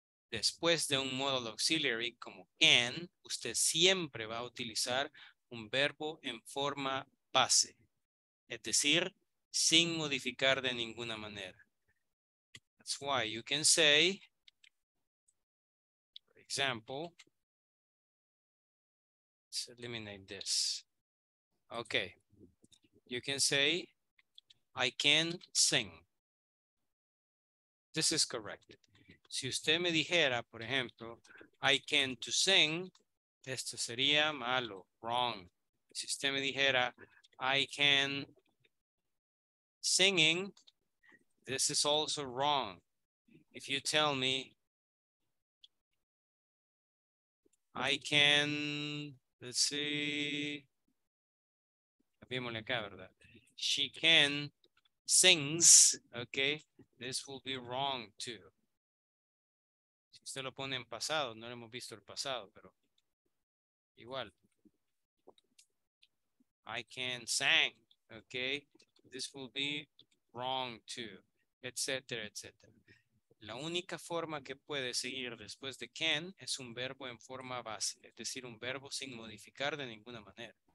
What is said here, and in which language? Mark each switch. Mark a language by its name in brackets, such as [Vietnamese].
[Spanish] Después de un modal auxiliary como can, usted siempre va a utilizar un verbo en forma base, es decir, sin modificar de ninguna manera. [English] That's why you can say, example, let's eliminate this. Okay, you can say, I can sing. This is correct. [Spanish] Si usted me dijera, por ejemplo, [English] I can to sing, [Spanish] esto sería malo, wrong. Si usted me dijera, [English] I can singing, this is also wrong. If you tell me, I can, let's see, [Spanish] cambiémosle acá, ¿verdad? [English] She can sings, okay? This will be wrong too. [Spanish] Usted lo pone en pasado, no lo hemos visto el pasado, pero igual. [English] I can sing, okay? This will be wrong too, etc., etc. [Spanish] La única forma que puede seguir después de can es un verbo en forma base, es decir, un verbo sin modificar de ninguna manera.